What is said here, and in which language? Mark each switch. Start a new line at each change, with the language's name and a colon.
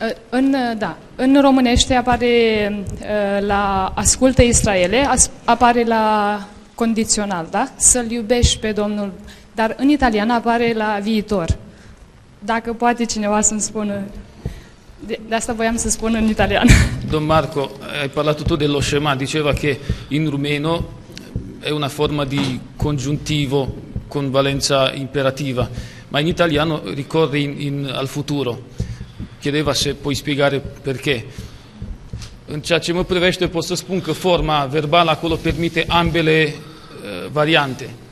Romanian: In românește apare la ascultă Israele, apare la condițional, da? Să-l iubești pe Domnul, dar în italiană apare la viitor. Dacă poate cineva să-mi spună. De asta voiam să spun în italian.
Italian: Don Marco, hai parlato tu dello schema, diceva che in rumeno è una forma di congiuntivo con valenza imperativa, ma in italiano ricorre in al futuro. Chiedeva se puoi spiegare perché. In ciò che mi
Romanian: privește
Italian: posso
Romanian: spun că forma verbală acolo permite ambele variante.